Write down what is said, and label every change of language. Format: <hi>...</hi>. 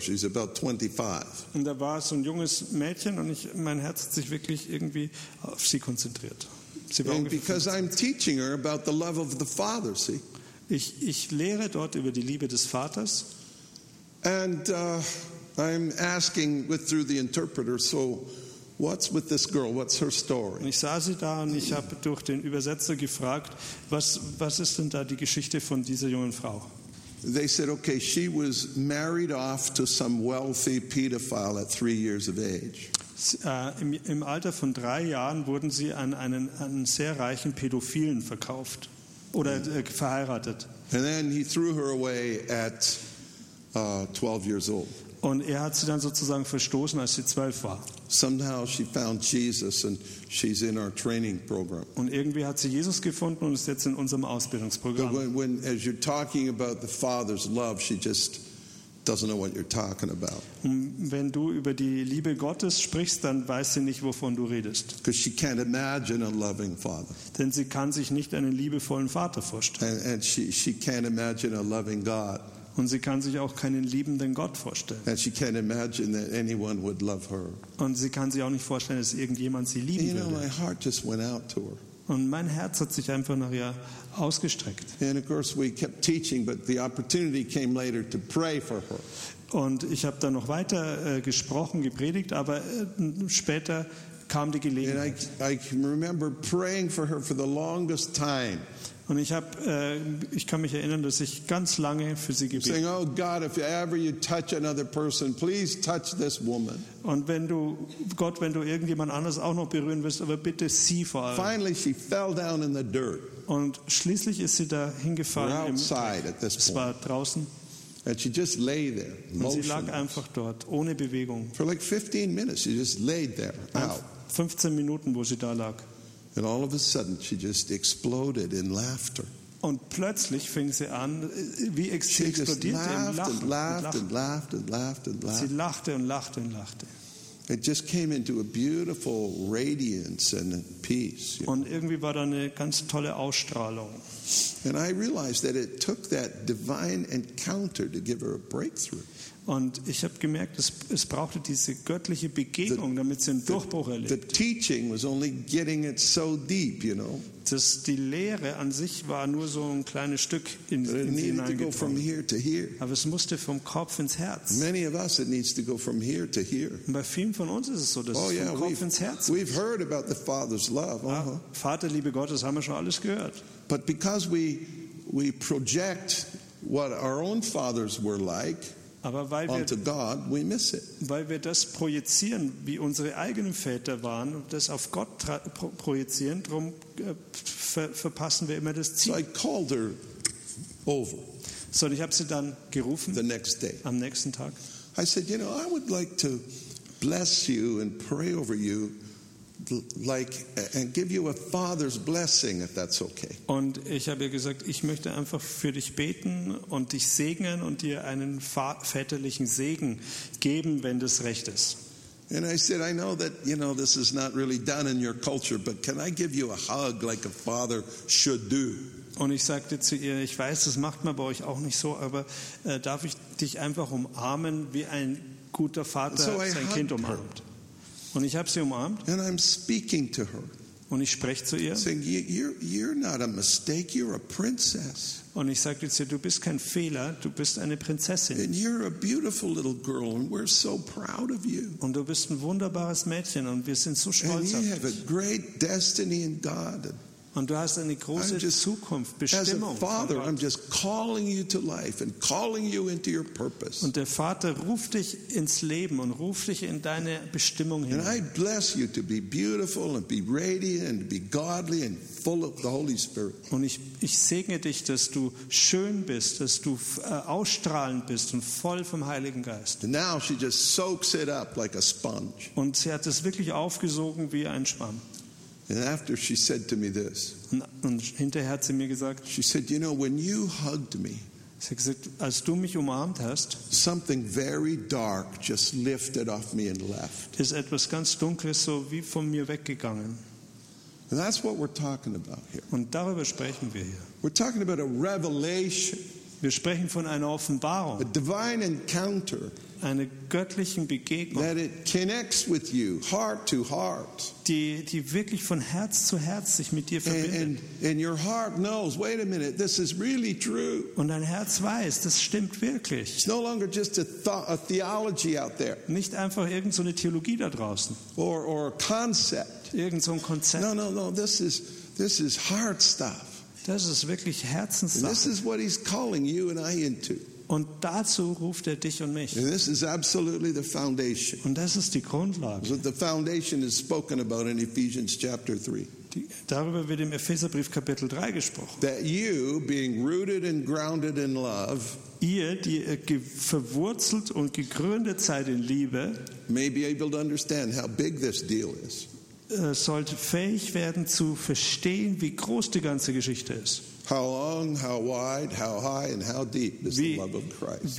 <en>She's about 25.</en> <de>Und da war so ein junges Mädchen und mein Herz hat sich wirklich irgendwie auf sie konzentriert. Sie war ungefähr 25.</de> <en>I'm teaching her about the love of the Father, see?</en> <de>Ich lehre dort über die Liebe des Vaters.</de> <en>And I'm asking with through the interpreter, so what's with this girl? What's her story?</en> <de>Ich sah sie da und ich habe durch den Übersetzer gefragt, was ist denn da die Geschichte von dieser jungen Frau?</de> <en>They said, okay, she was married off to some wealthy pedophile at 3 years of age.</en> <de>Im Alter von 3 Jahren wurden sie an einen sehr reichen Pädophilen verkauft oder verheiratet.</de> <en>And then he threw her away at 12 years old.</en> <de>Und er hat sie dann sozusagen verstoßen, als sie 12 war.</de> <en>Somehow she found Jesus and she's in our training program.</en> <de>Und irgendwie hat sie Jesus gefunden und ist jetzt in unserem Ausbildungsprogramm.</de> <en>But when as you're talking about the Father's love, she just doesn't know what you're talking about.</en> <de>Wenn du über die Liebe Gottes sprichst, dann weiß sie nicht, wovon du redest.</de> <en>Because she can't imagine a loving father.</en> <de>Denn sie kann sich nicht einen liebevollen Vater vorstellen.</de> <en>And she can't imagine a loving God.</en> <de>Und sie kann sich auch keinen liebenden Gott vorstellen.</de> <en>And she can't imagine that anyone would love her.</en> <de>Und sie kann sich auch nicht vorstellen, dass irgendjemand sie lieben würde.</de> <en>You know, my heart just went out to her.</en> <de>Und mein Herz hat sich einfach nach ihr ausgestreckt.</de> <en>And of course we kept teaching, but the opportunity came later to pray for her.</en> <de>Und ich habe dann noch weiter gesprochen, gepredigt, aber später kam die Gelegenheit.</de> <en>And I can remember praying for her for the longest time.</en> <de>Und ich kann mich erinnern, dass ich ganz lange für sie gebetet habe.</de> <en>Saying, oh God, if ever you touch another person, please touch this woman.</en> <de>Und wenn du irgendjemand anders auch noch berühren willst, aber bitte sie vor allem.</de> <en>Finally, she fell down in the dirt.</en> <de>Und schließlich ist sie da hingefallen.</de> <en>We're outside at this point.</en> <de>Es war draußen.</de> <en>And she just lay there, motionless.</en> <de>Und sie lag einfach dort, ohne Bewegung.</de> <en>For like 15 minutes, she just laid there, out.</en> <de>15 Minuten, wo sie da lag.</de> <en>And all of a sudden, she just exploded in laughter.</en> <de>Und plötzlich fing sie an, wie explodierte im Lachen.</de> <en>She just laughed and laughed and laughed and laughed and laughed.</en> <de>Sie lachte und lachte und lachte.</de> <en>It just came into a beautiful radiance and peace.</en> <de>Und irgendwie war da eine ganz tolle Ausstrahlung.</de> <en>And I realized that it took that divine encounter to give her a breakthrough.</en> <de>Und ich habe gemerkt, es brauchte diese göttliche Begegnung, damit sie einen Durchbruch erlebt.</de> <en>The teaching was only getting it so deep, you know.</en> <de>Dass die Lehre an sich war nur so ein kleines Stück in sie hineingetragen. Aber es musste vom Kopf ins Herz.</de> <en>Many of us it needs to go from here to here.</en> <de>Und bei vielen von uns ist es so, dass es vom Kopf ins Herz.</de> <en>We've heard about the Father's love.</en> <de>Vaterliebe Gottes haben wir schon alles gehört.</de> <en>But because we project what our own fathers were like.</en> <de>Aber weil wir,</de> <en>onto God, we miss it.</en> <de>Weil wir das projizieren, wie unsere eigenen Väter waren, und das auf Gott projizieren, darum verpassen wir immer das Ziel.</de> <en>So I called her over.</en> <de>So, und ich habe sie dann gerufen.</de> <en>The next day.</en> <de>Am nächsten Tag.</de> <en>I said, you know, I would like to bless you and pray over you, like and give you a father's blessing, if that's okay.</en> <de>Und ich habe ihr gesagt, ich möchte einfach für dich beten und dich segnen und dir einen väterlichen Segen geben, wenn das recht ist.</de> <en>And I said, I know that you know this is not really done in your culture, but can I give you a hug like a father should do?</en> <de>Und ich sagte zu ihr, ich weiß, das macht man bei euch auch nicht so, aber darf ich dich einfach umarmen, wie ein guter Vater sein Kind umarmt? Und ich habe sie umarmt.</de> <en>And I'm speaking to her.</en> <de>Und ich spreche zu ihr.</de> <en>Saying, you're not a mistake, you're a princess.</en> <de>Und ich sagte zu ihr, du bist kein Fehler, du bist eine Prinzessin.</de> <en>And you're a beautiful little girl and we're so proud of you.</en> <de>Und du bist ein wunderbares Mädchen und wir sind so stolz auf dich.</de> <en>And you have a great destiny in God.</en> <de>Und du hast eine große Zukunft, Bestimmung.</de> <en>As a father, I'm just calling you to life and calling you into your purpose.</en> <de>Und der Vater ruft dich ins Leben und ruft dich in deine Bestimmung hin.</de> <en>And I bless you to be beautiful and be radiant and be godly and full of the Holy Spirit.</en> <de>Und ich segne dich, dass du schön bist, dass du ausstrahlend bist und voll vom Heiligen Geist.</de> <en>And now she just soaks it up like a sponge.</en> <de>Und sie hat es wirklich aufgesogen wie ein Schwamm.</de> <en>And after she said to me this,</en> <de>und hinterher hat sie mir gesagt,</de> <en>she said, you know, when you hugged me,</en> <de>sie hat gesagt, als du mich umarmt hast,</de> <en>something very dark just lifted off me and left.</en> <de>Ist etwas ganz Dunkles so wie von mir weggegangen.</de> <en>And that's what we're talking about here.</en> <de>Und darüber sprechen wir hier.</de> <en>We're talking about a revelation.</en> <de>Wir sprechen von einer Offenbarung.</de> <en>A divine encounter.</en> <de>Eine göttlichen Begegnung,</de> <en>that it connects with you, heart to heart.</en> <de>Die wirklich von Herz zu Herz sich mit dir verbindet.</de> <en>And your heart knows, wait a minute, this is really true.</en> <de>Und dein Herz weiß, das stimmt wirklich.</de> <en>It's no longer just a theology out there.</en> <de>Nicht einfach irgend so eine Theologie da draußen.</de> <en>Or a concept.</en> <de>Irgend so ein Konzept.</de> <en>No, this is heart stuff.</en> <de>Das ist wirklich Herzenssache.</de> <en>And this is what he's calling you and I into.</en> <de>Und dazu ruft er dich und mich.</de> <en>This is absolutely the foundation.</en> <de>Und das ist die Grundlage.</de> <en>So the foundation is spoken about in Ephesians chapter 3.</en> <de>Darüber wird im Epheserbrief Kapitel 3 gesprochen.</de> <en>That you, being rooted and grounded in love,</en> <de>ihr, die verwurzelt und gegründet seid in Liebe,</de> <en>may be able to understand how big this deal is.</en> <de>Sollt fähig werden zu verstehen, wie groß die ganze Geschichte ist.</de> <en>How long, how wide, how high and how deep is the love of Christ.</en>